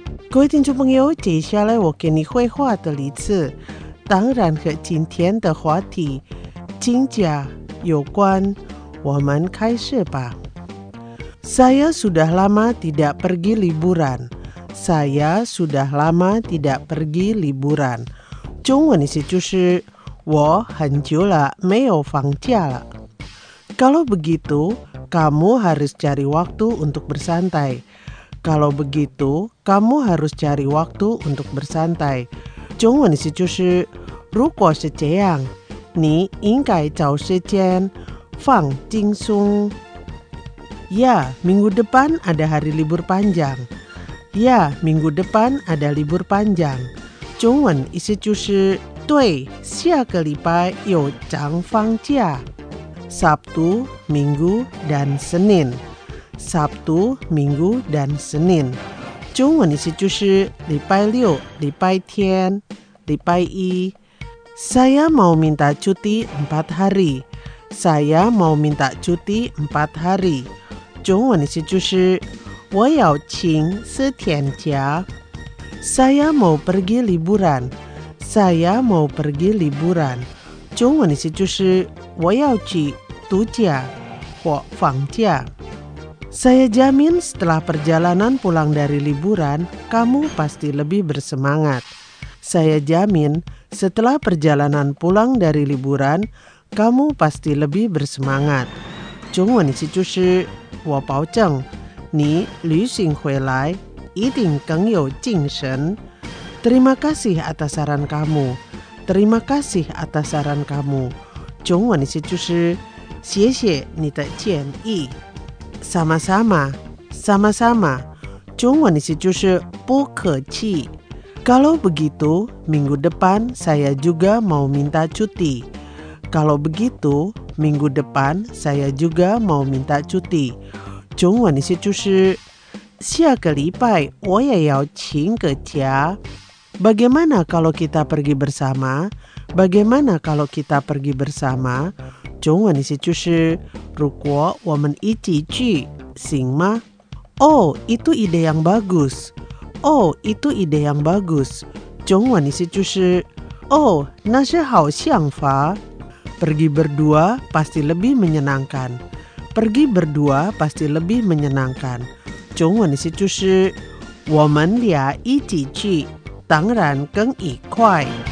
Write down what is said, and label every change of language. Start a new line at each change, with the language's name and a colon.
Chinese: 各位听众朋友，接下来我给你绘画的例子，当然和今天的话题请假有关。我们开始吧。
Indonesian: Saya sudah lama tidak pergi liburan. Saya sudah lama tidak pergi liburan.
Chinese: 中文的是就是我很久了没有放假了。
Indonesian: Kalau begitu, kamu harus cari waktu untuk bersantai. Kalau begitu, kamu harus cari waktu untuk bersantai.
Chinese: 中文的是就是，如果是这样，你应该找时间放轻松。
Indonesian: Ya, minggu depan ada hari libur panjang. Ya, minggu depan ada libur panjang.
Chinese: 中文的是就是，对，下个礼拜有长放假。
Indonesian: Sabtu, Minggu, dan Senin. Sabtu, Minggu, dan Senin.
Chinese: 中文的是就是礼拜六、礼拜天、礼拜一。
Indonesian: Saya mau minta cuti empat hari. Saya mau minta cuti empat hari.
Chinese: 中文的是就是我要请四天假。
Indonesian: Saya mau pergi liburan. Saya mau pergi liburan.
Chinese: 中文的是就是我要去度假或放假。
Indonesian: Saya jamin setelah perjalanan pulang dari liburan, kamu pasti lebih bersemangat. Saya jamin setelah perjalanan pulang dari liburan, kamu pasti lebih bersemangat.
Chinese: 中文的是就是我保证你旅行回来一定更有精神。
Indonesian: Terima kasih atas saran kamu. Terima kasih atas saran kamu.
Chinese: 中文的是就是谢谢你的建议。
Indonesian: Sama-sama, sama-sama.
Chinese: 中文的是就是不客气。
Indonesian: Kalau begitu, minggu depan saya juga mau minta cuti. Kalau begitu, minggu depan saya juga mau minta cuti.
Chinese: 中文的是就是下个礼拜我也要请个假。
Indonesian: Bagaimana kalau kita pergi bersama? Bagaimana kalau kita pergi bersama?
Chinese: 中文的是就是如果我们一起去行吗？
Indonesian: Oh, itu ide yang bagus. Oh, itu ide yang bagus.
Chinese: 中文的是就是 Oh, 那是好想法。
Indonesian: Pergi berdua pasti lebih menyenangkan. Pergi berdua pasti lebih menyenangkan.
Chinese: 中文的是就是我们俩一起去当然更愉快。